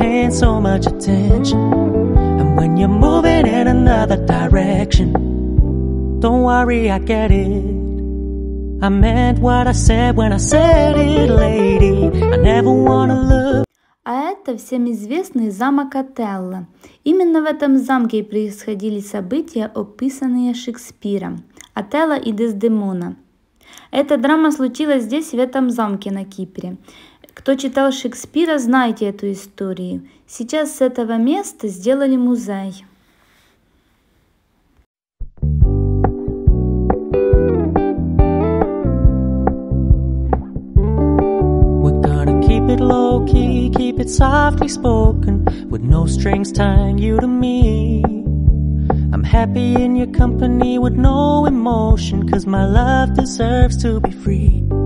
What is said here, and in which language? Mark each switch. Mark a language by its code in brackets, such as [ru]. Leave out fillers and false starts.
[en] So much attention, and when you're moving in another direction, don't worry, I get it. I meant what I said when I said it, lady. I never wanna look. [ru] А это всем известный замок Отелло. Именно в этом замке и происходили события, описанные Шекспиром. Отелло и Дездемона. Эта драма случилась здесь, в этом замке на Кипре. Кто читал Шекспира, знаете эту историю. Сейчас с этого места сделали музей. [en] We're gonna keep it low key, keep it softly spoken, with no strings tying you to me. I'm happy in your company with no emotion, 'cause my love deserves to be free.